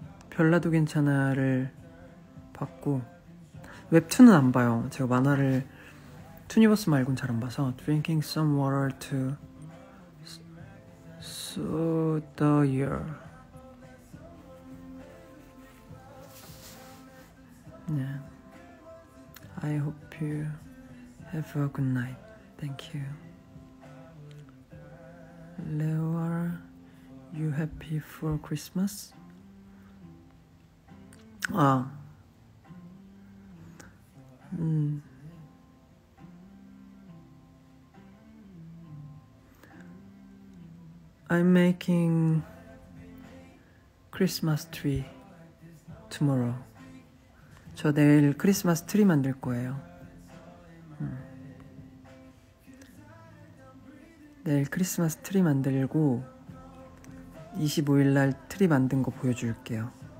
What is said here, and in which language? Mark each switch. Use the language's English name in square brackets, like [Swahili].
[Korean] 별나도 괜찮아를 봤고, 웹툰은 안 봐요. 제가 만화를 투니버스 말곤 잘안 봐서 [English] Drinking some water to soothe your [Korean] 네. [English] I hope you have a good night. Thank you. Leo, are you happy for Christmas? 아. I'm making Christmas tree tomorrow. [Korean] 저 내일 크리스마스 트리 만들 거예요. 내일 크리스마스 트리 만들고 25일 날 트리 만든 거 보여줄게요.